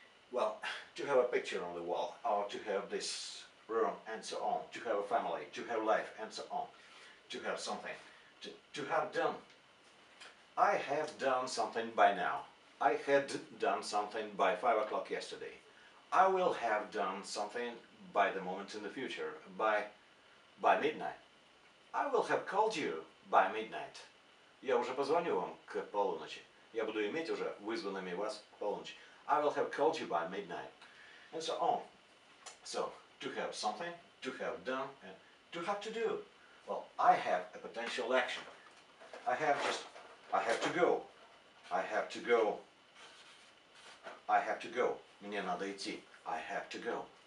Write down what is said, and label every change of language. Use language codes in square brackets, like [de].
[en] Well, to have a picture on the wall, or to have this room, and so on, to have a family, to have life, and so on, to have something, to have done. I have done something by now. I had done something by 5 o'clock yesterday. I will have done something by the moment in the future, by midnight. I will have called you by midnight. [ru] Я уже позвоню вам к полуночи. Я буду иметь уже вызванными вас к полуночи. [en] I will have called you by midnight, and so on. So, to have something, to have done, and to have to do. Well, I have a potential action. I have to go. [ru] Мне надо идти. [en] I have to go.